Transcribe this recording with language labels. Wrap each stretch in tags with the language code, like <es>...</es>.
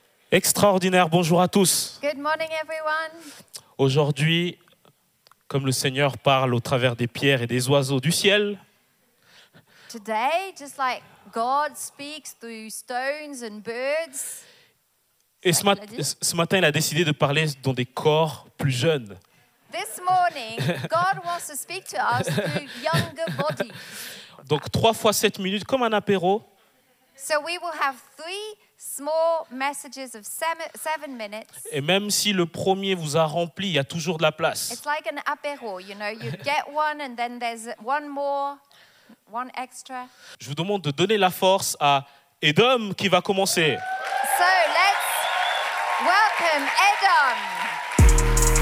<fr>Extraordinaire, bonjour à tous.</fr> <en>Good morning, everyone.</en> <fr>Aujourd'hui, comme le Seigneur parle au travers des pierres et des oiseaux du ciel,</fr> <en>today, just like God speaks through stones and birds,</en> <fr>et ce matin, il a décidé de parler dans des corps plus jeunes.</fr> <en>This morning, God wants to speak to us through younger bodies.</en> <fr>Donc 3 fois 7 minutes, comme un apéro.</fr> <en>So we will have 3 small messages of 7 minutes.</en> <fr>Et même si le premier vous a rempli, il y a toujours de la place.</fr> <en>It's like an apéro, you know, you get one and then there's one more, one extra.</en> <fr>Je vous demande de donner la force à Edom qui va commencer.</fr> <en>So let's welcome Edom.</en>